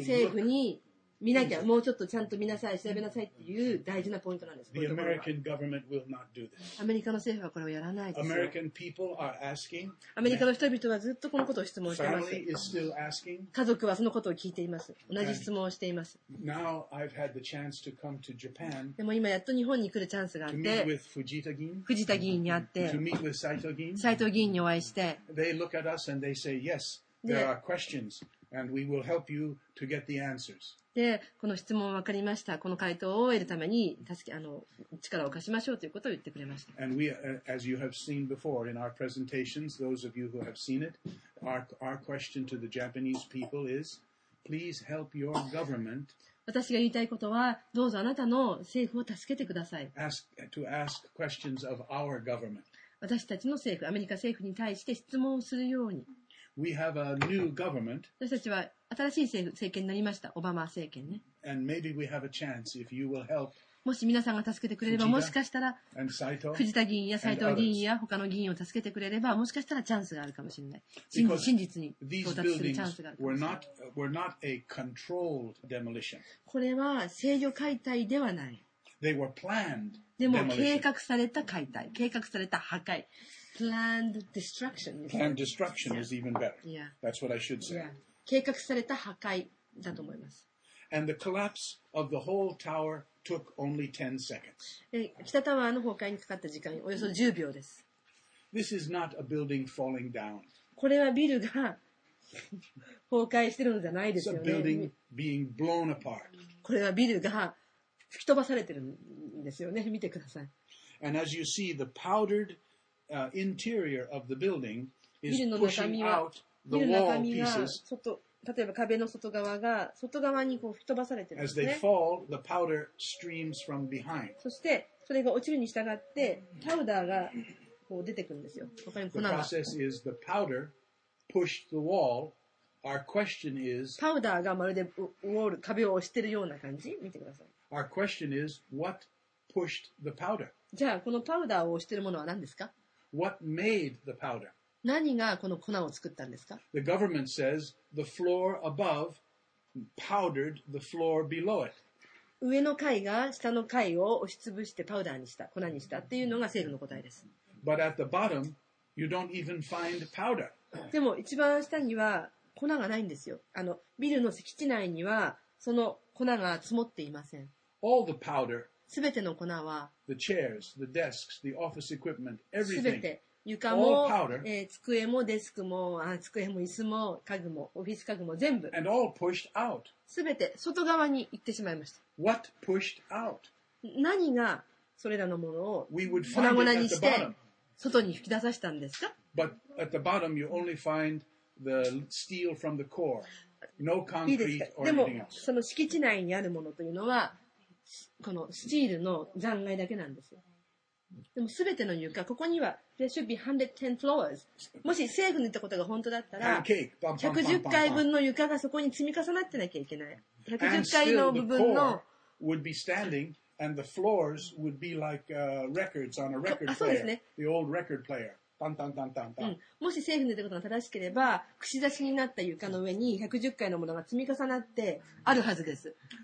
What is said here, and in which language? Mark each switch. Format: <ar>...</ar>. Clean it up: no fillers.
<ja>政府に見なきゃ、もうちょっとちゃんと見なさい、調べなさいっていう大事なポイントなんです。</ja> <en>The American government will not do this.</en> <ja>アメリカの政府はこれをやらないです。</ja> <en>American people are asking,</en> <ja>アメリカの人々はずっとこのことを質問しています。</ja> <en>Family is still asking,</en> <ja>家族はそのことを聞いています。同じ質問をしています。</ja> <en>Now I've had the chance to come to Japan,</en> <ja>でも今やっと日本に来るチャンスがあって、</ja> <en>to meet with Fujita 議員、</en> <ja>藤田議員に会って、</ja> <en>to meet with Saito 議員、</en> <ja>斉藤議員にお会いして、</ja> <en>they look at us and they say, yes, there are questions. And we will help you to get the answers.</en> <ja>で、この質問分かりました。この回答を得るために助け、力を貸しましょうということを言ってくれました。</ja> <en>And we, as you have seen before in our presentations, those of you who have seen it, our question to the Japanese people is, please help your government.</en> <ja>私が言いたいことは、どうぞあなたの政府を助けてください。</ja> <en>To ask questions of our government.</en> <ja>私たちの政府、アメリカ政府に対して質問をするように。</ja> <en>We have a new government.</en> <ja>私たちは新しい政権になりました。オバマ政権ね。</ja> <en>And maybe we have a chance if you will help.</en> <ja>もし皆さんが助けてくれれば、もしかしたら藤田議員や斉藤議員や他の議員を助けてくれれば、もしかしたらチャンスがあるかもしれない。真実に到達するチャンスがあるかもしれない。</ja> <en>were not a controlled demolition.</en> <ja>これは制御解体ではない。</ja> <en>They were planned.</en> <ja>でも計画された解体、計画された破壊。</ja> <en>Planned destruction. Planned destruction is even better. Yeah. That's what I should say. Yeah.</en> <ja>計画された破壊だと思います。</ja> <en>And the collapse of the whole tower took only 10 seconds.</en> <ja>北タワーの崩壊にかかった時間およそ10秒です。</ja> <en>This is not a building falling down.</en> <ja>これはビルが崩壊してるのじゃないですよね。</ja> <en>It's a building being blown apart.</en> <ja>これはビルが吹き飛ばされてるんですよね。見てください。</ja> <en>And as you see, the powdered interior of the building is pushing out the wall pieces.</en> <ja>例えば壁の外側が外側にこう吹き飛ばされてるんですね。</ja> <en>As they fall, the powder streams from behind.</en> <ja>そしてそれが落ちるに従ってパウダーがこう出てくるんですよ。他にも粉が。</ja> <en>The process is the powder pushed the wall. Our question is,</en> <ja>パウダーがまるでウォール壁を押しているような感じ見てください。</ja> <en>Our question is, what pushed the powder?</en> <ja>じゃあこのパウダーを押しているものは何ですか？</ja> <en>What made the powder?</en> <ja>何がこの粉を作ったんですか？</ja> <en>The government says the floor above powdered the floor below it.</en> <ja>上の階が下の階を押しつぶしてパウダーにした、粉にしたっていうのが政府の答えです。</ja> <en>But at the bottom, you don't even find powder.</en> <ja>でも一番下には粉がないんですよ。あのビルの敷地内にはその粉が積もっていません。</ja> <en>All the powder,</en> <ja>全ての粉は、</ja> <en>the chairs, the desks, the office equipment, everything,</en> <ja>全て床も</ja> <en>all powder,</en> <ja>机もデスクも机も椅子も家具もオフィス家具も全部、</ja> <en>and all pushed out.</en> <ja>全て外側に行ってしまいました。</ja> <en>What pushed out?</en> <ja>何がそれらのものを粉々にして外に吹き出させたんですか？</ja> <en>But at the bottom, you only findThe steel from the core. No concrete or anything else.</en> <ja>でもその敷地内にあるものというのはこのスチールの残骸だけなんですよ。でも全ての床、ここには</ja> <en>There should be 110 floors.</en> <ja>もし政府の言ったことが本当だったら110階分の床がそこに積み重なってなきゃいけない。 110階の部分の</ja> <en>would be standing and the floors would be like records on a record player.</en> <ja>そうですね。</ja> <en>The old record player.</en> <ja>もし政府の言ったことが正しければ、串刺しになった床の上に110回のものが積み重なってあるはずです。</ja>